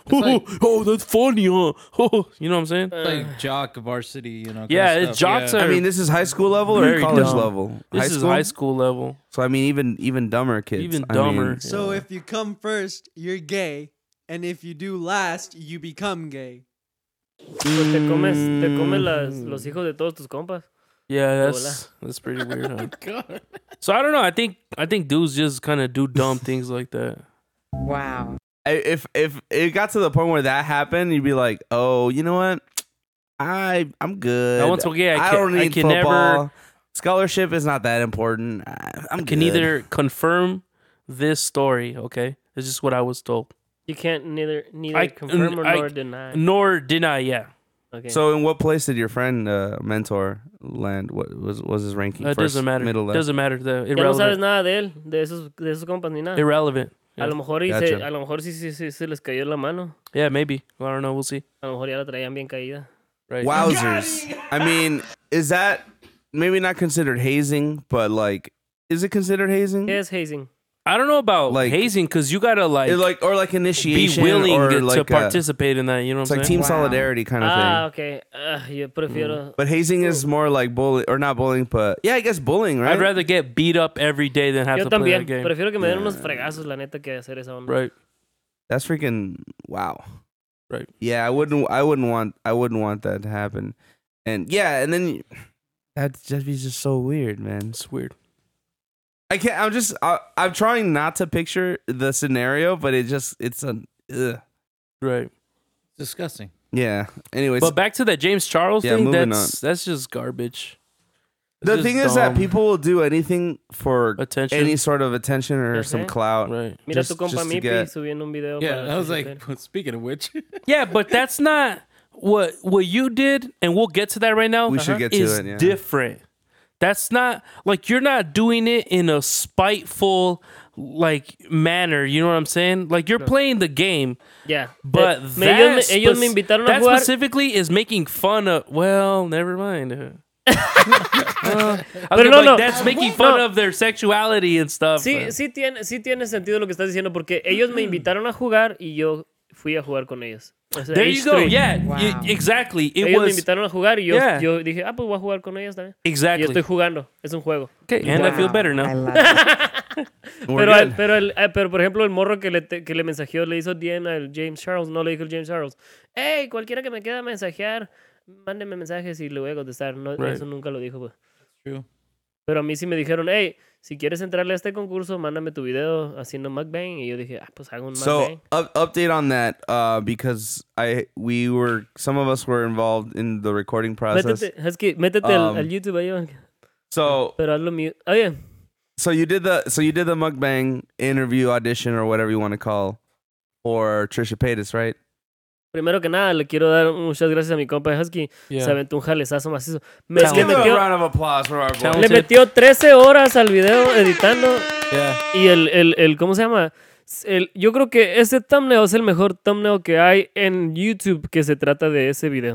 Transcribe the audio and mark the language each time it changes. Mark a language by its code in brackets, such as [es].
[en] Like, oh, that's funny, huh? You know what I'm saying? Like jock varsity, you know. Yeah, kind of stuff. Jocks yeah. are. I mean, this is high school level or college dumb. Level? This high is school? High school level. So I mean, even dumber kids. Even dumber. I mean, so yeah. If you come first, you're gay, and if you do last, you become gay. [es] Te comes los hijos de todos tus compas. [en] Yeah, that's pretty weird. Huh? God. So I don't know. I think dudes just kind of do dumb things like that. Wow. If it got to the point where that happened, you'd be like, oh, you know what? I'm good. Once again, I don't need I can football. Never, scholarship is not that important. I'm good. Neither confirm this story, okay? It's just what I was told. You can't neither confirm nor deny. Yeah. Okay. So, in what place did your friend mentor land? What was his ranking? It doesn't matter. Middle. Doesn't matter. The irrelevant. [es] No sabes nada de él, de esos compas ni nada. [en] Irrelevant. Yeah. [es] A lo mejor sí les cayó la mano. [en] Yeah, maybe. Well, I don't know. We'll see. [es] A lo mejor ya la traían bien caída. [en] Right. Wowzers! I mean, is that maybe not considered hazing? But like, is it considered hazing? Yes, hazing. I don't know about like hazing because you gotta like initiation, be willing or like to participate in that. You know, what it's I'm like saying? Team solidarity kind of thing. Ah, okay. Yeah, [es] prefiero. [en] But hazing is more like bullying, or not bullying, but yeah, I guess bullying, right? I'd rather get beat up every day than have [es] yo [en] to play that game. [es] Prefiero que me den unos fregazos, la neta, que hacer esa onda. [en] Right. That's freaking wow. Right. Yeah, I wouldn't want that to happen, and yeah, and then that'd be just so weird, man. It's weird. I can't. I'm just. I'm trying not to picture the scenario, but it just. It's an. Right. Disgusting. Yeah. Anyways. But back to that James Charles thing. Yeah, that's just garbage. The thing is that people will do anything for attention, any sort of attention or some clout. Right. [es] Mira tu compa Mipi subiendo un video. [en] Yeah, I was like, speaking of which. Yeah, but that's not what you did, and we'll get to that right now. We should get to it. Is different. That's not, like, you're not doing it in a spiteful, like, manner, you know what I'm saying? Like, you're playing the game. Yeah. But that specifically is making fun of, well, never mind. That's making fun of their sexuality and stuff. [es] Sí tiene sentido lo que estás diciendo, porque ellos me invitaron a jugar y yo fui a jugar con ellos. [en] There you go. Yeah, exactly. It was. [es] Me invitaron a jugar y yo dije, ah, pues voy a jugar con ellas también. [en] Exactly. [es] Y estoy jugando. Es un juego. [en] Okay, and I feel better now. [es] pero por ejemplo, el morro que le mensajeó, le hizo DM al James Charles, no le dijo el James Charles, hey, cualquiera que me quede a mensajear, mándenme mensajes y le voy a contestar. No, right. Eso nunca lo dijo. [en] That's true. [es] Pero a mí sí me dijeron, hey, si quieres entrarle a este concurso, mándame tu video haciendo mukbang. Y yo dije, ah, pues hago un mukbang. [en] So, update on that, because some of us were involved in the recording process. [es] Métete al YouTube ahí. [en] So, [es] pero hazlo mute. [en] Oh, yeah. So you did the mukbang interview audition or whatever you want to call for Trisha Paytas, right? [es] Primero que nada, le quiero dar muchas gracias a mi compa Husky. [en] Yeah. [es] Se aventó un jalezazo macizo. Le metió 13 horas al video editando. [en] Yeah. [es] Y el ¿cómo se llama? Yo creo que ese thumbnail es el mejor thumbnail que hay en YouTube que se trata de ese video.